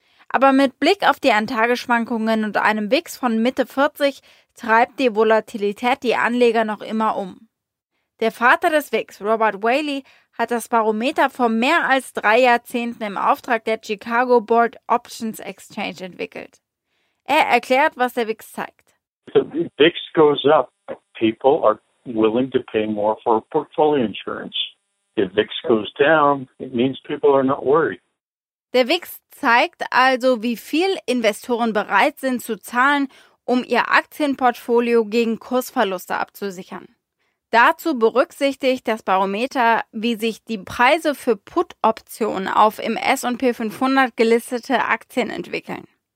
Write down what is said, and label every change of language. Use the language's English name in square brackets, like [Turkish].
[German] Aber mit Blick auf die Eintagesschwankungen und einem VIX von Mitte 40 treibt die Volatilität die Anleger noch immer um. Der Vater des VIX, Robert Whaley, hat das Barometer vor mehr als 3 Jahrzehnten im Auftrag der Chicago Board Options Exchange entwickelt. Er erklärt, was der VIX zeigt. [English] The VIX goes up. People are willing to pay more for portfolio insurance. If VIX goes down, it means people are not worried. [German] Der VIX zeigt also, wie viel Investoren bereit sind zu zahlen, um ihr Aktienportfolio gegen Kursverluste abzusichern. Dazu berücksichtigt das Barometer, wie sich die Preise für Put-Optionen auf im S&P 500 gelistete Aktien entwickeln.